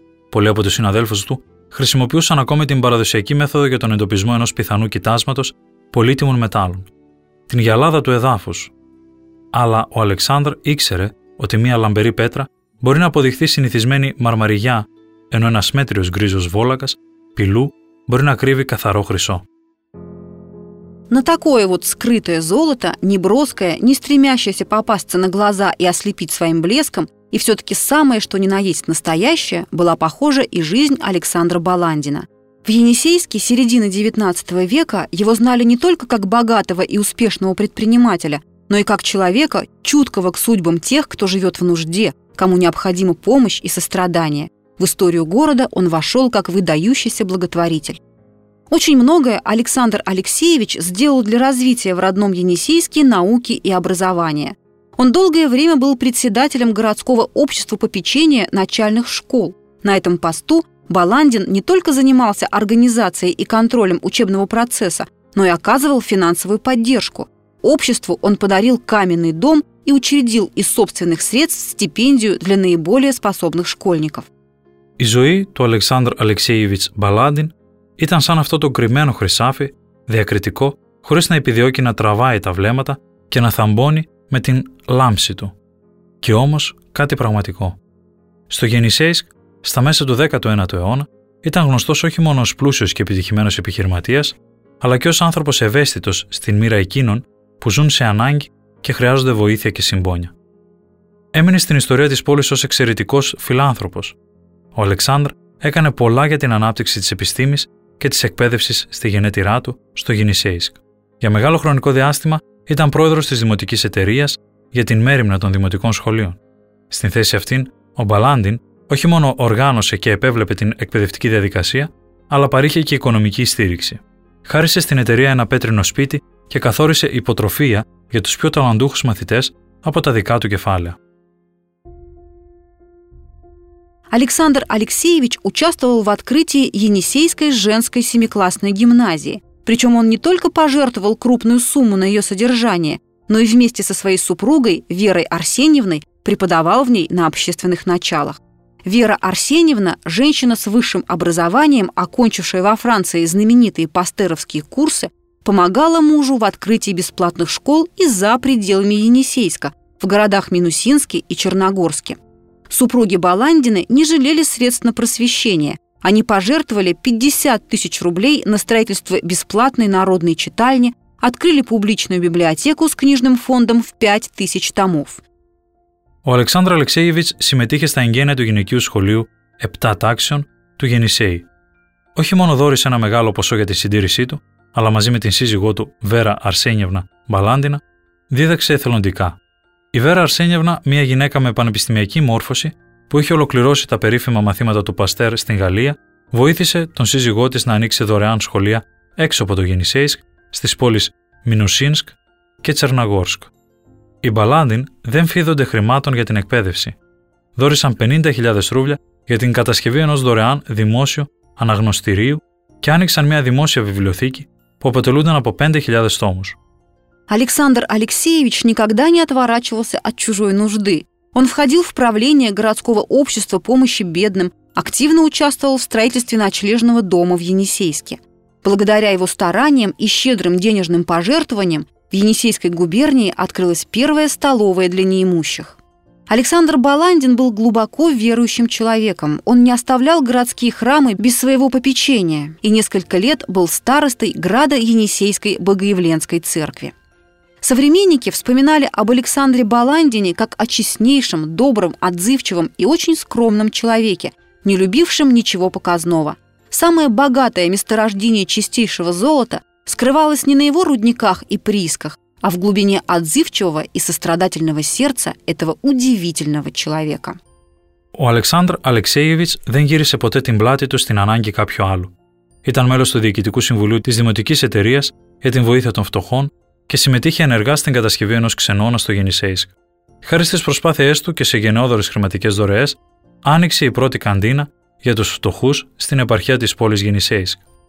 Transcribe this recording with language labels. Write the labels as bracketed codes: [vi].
[el] Πολλοί από τους συναδέλφους του χρησιμοποιούσαν ακόμη την παραδοσιακή μέθοδο για τον εντοπισμό ενός πιθανού κοιτάσματος πολύτιμων μετάλλων, την γυαλάδα του εδάφους. Αλλά ο Αλεξάνδρ ήξερε ότι μία λαμπερή πέτρα μπορεί να αποδειχθεί συνηθισμένη μαρμαριγιά, ενώ ένας μέτριος γκρίζος βόλακας, πυλού, μπορεί να κρύβει καθαρό χρυσό. [ru] На такое вот скрытое золото, неброское, не стремящееся попасться на глаза и ослепить своим блеском, и все-таки самое, что ни на есть настоящее, была похожа и жизнь Александра Баландина. В Енисейске середины XIX века его знали не только как богатого и успешного предпринимателя, но и как человека, чуткого к судьбам тех, кто живет в нужде, кому необходима помощь и сострадание. В историю города он вошел как выдающийся благотворитель. Очень многое Александр Алексеевич сделал для развития в родном Енисейске науки и образования. Он долгое время был председателем городского общества попечения начальных школ. На этом посту Баландин не только занимался организацией и контролем учебного процесса, но и оказывал финансовую поддержку. Обществу он подарил каменный дом и учредил из собственных средств стипендию для наиболее способных школьников. Из жизни то Александр Алексеевич Баландин [el] ήταν σαν αυτό το κρυμμένο χρυσάφι, διακριτικό, χωρίς να επιδιώκει να τραβάει τα βλέμματα και να θαμπώνει με την λάμψη του. Και όμως κάτι πραγματικό. Στο Γενισέισκ, στα μέσα του 19ου αιώνα, ήταν γνωστός όχι μόνο ως πλούσιος και επιτυχημένος επιχειρηματίας, αλλά και ως άνθρωπος ευαίσθητος στην μοίρα εκείνων που ζουν σε ανάγκη και χρειάζονται βοήθεια και συμπόνια. Έμεινε στην ιστορία της πόλης ως εξαιρετικός φιλάνθρωπος. Ο Αλεξάνδρ έκανε πολλά για την ανάπτυξη της επιστήμης και της εκπαίδευσης στη γενέτειρά του, στο Γενισέισκ. Για μεγάλο χρονικό διάστημα ήταν πρόεδρος της Δημοτικής Εταιρείας για την Μέριμνα των Δημοτικών Σχολείων. Στην θέση αυτήν, ο Μπαλάντιν όχι μόνο οργάνωσε και επέβλεπε την εκπαιδευτική διαδικασία, αλλά παρήχε και οικονομική στήριξη. Χάρισε στην εταιρεία ένα πέτρινο σπίτι και καθόρισε υποτροφία για τους πιο ταλαντούχους μαθητές από τα δικά του κεφάλαια. [ru] Александр Алексеевич участвовал в открытии Енисейской женской семиклассной гимназии. Причем он не только пожертвовал крупную сумму на ее содержание, но и вместе со своей супругой Верой Арсеньевной преподавал в ней на общественных началах. Вера Арсеньевна – женщина с высшим образованием, окончившая во Франции знаменитые пастеровские курсы, помогала мужу в открытии бесплатных школ и за пределами Енисейска, в городах Минусинске и Черногорске. Супруги Баландины не жалели средств на просвещение, Они пожертвовали 50 тысяч рублей на строительство бесплатной народной читальни, открыли публичную библиотеку с книжным фондом в 5 тысяч томов. [el] Ο Александр Алексеевич συμμετείχε στα εγγένεια του γυναικείου σχολείου 7 τάξεων του Γενισέη. Όχι μόνο δώρησε ένα μεγάλο ποσό για τη συντήρησή του, αλλά μαζί με την σύζυγό του Βέρα Αρσένιευνα Μπαλάντινα, δίδαξε εθελοντικά. Η Βέρα Αρσένιευνα, μια γυναίκα με πανεπιστημιακή μόρφωση, που είχε ολοκληρώσει τα περίφημα μαθήματα του Παστέρ στην Γαλλία, βοήθησε τον σύζυγό της να ανοίξει δωρεάν σχολεία έξω από το Γενισέισκ, στις πόλεις Μινουσίνσκ και Τσερναγόρσκ. Οι Μπαλάντιν δεν φίδονται χρημάτων για την εκπαίδευση. Δώρησαν 50.000 ρούβλια για την κατασκευή ενός δωρεάν δημόσιου αναγνωστηρίου και άνοιξαν μια δημόσια βιβλιοθήκη που αποτελούνταν από 5.000 τόμους. [ru] Александр Алексеевич никогда не отворачивался от чужой нужды. Он входил в правление городского общества помощи бедным, активно участвовал в строительстве ночлежного дома в Енисейске. Благодаря его стараниям и щедрым денежным пожертвованиям в Енисейской губернии открылась первая столовая для неимущих. Александр Баландин был глубоко верующим человеком. Он не оставлял городские храмы без своего попечения и несколько лет был старостой града Енисейской Богоявленской церкви. Современники вспоминали об Александре Баландине как о честнейшем, добром, отзывчивом и очень скромном человеке, не любившем ничего показного. Самое богатое месторождение чистейшего золота скрывалось не на его рудниках и приисках, а в глубине отзывчивого и сострадательного сердца этого удивительного человека. [el] Ο Александр Алексеевич δεν γύρισε ποτέ την πλάτη του στην ανάγκη κάποιου άλλου. Ήταν μέλος του Διοικητικού Συμβουλίου της Δημοτικής Εταιρείας για την Βοήθεια των Φτωχών και συμμετείχε ενεργά στην κατασκευή ενός ξενώνα στο Γενισέισκ. Χάρη στις προσπάθειές του και σε γενναιόδορες χρηματικές δωρεές, άνοιξε η πρώτη καντίνα για τους φτωχούς στην επαρχία της πόλης Γενισέισκ.